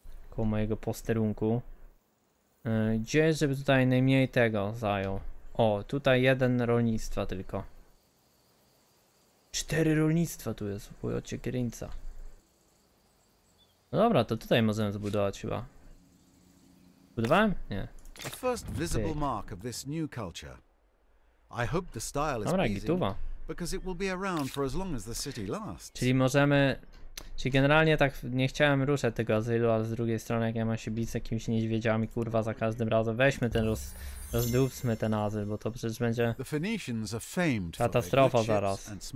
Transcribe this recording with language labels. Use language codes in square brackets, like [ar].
[pl] Koło mojego posterunku. Gdzie, żeby tutaj najmniej tego zajął? O, tutaj jeden rolnictwa tylko. Cztery rolnictwa tu jest, wujocie Kierinca. No dobra, to tutaj możemy zbudować chyba. Budowałem? Nie. [en] The first visible mark of this new culture. I hope the style is pleasing, because it will be around for as long as the city lasts. [pl] Czyli możemy... Czyli generalnie tak nie chciałem ruszać tego azylu, ale z drugiej strony jak ja mam się bić z jakimiś niedźwiedziami, kurwa, za każdym razem weźmy ten rozdłubmy ten azyl, bo to przecież będzie katastrofa zaraz.